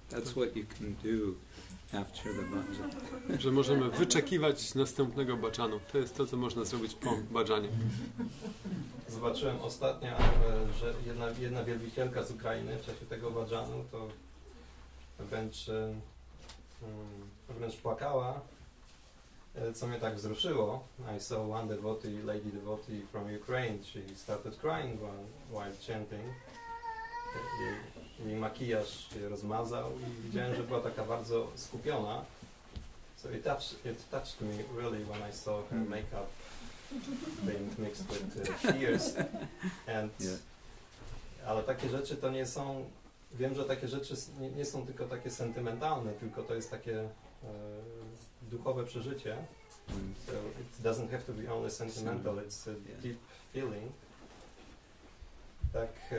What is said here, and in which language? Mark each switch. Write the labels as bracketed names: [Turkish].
[English] That's what you can do after the bhajan. [Polish] Że możemy wyczekiwać następnego bhajanu. To jest to, co można zrobić po bhajanie. Zobaczyłem ostatnio, że jedna wielbicielka z Ukrainy w czasie tego bhajanu to wręcz płakała, co mnie tak wzruszyło. [English] I saw one devotee, lady devotee from Ukraine. She started crying while chanting. [Polish] Jej makijaż się rozmazał i widziałem, że była taka bardzo skupiona. [English] So it touched me really when I saw her makeup being mixed with tears. [Polish] And ale takie rzeczy to nie są. Wiem, że takie rzeczy nie są tylko takie sentymentalne, tylko to jest takie duchowe przeżycie. [English] So it doesn't have to be only sentimental, it's a deep feeling. Tak.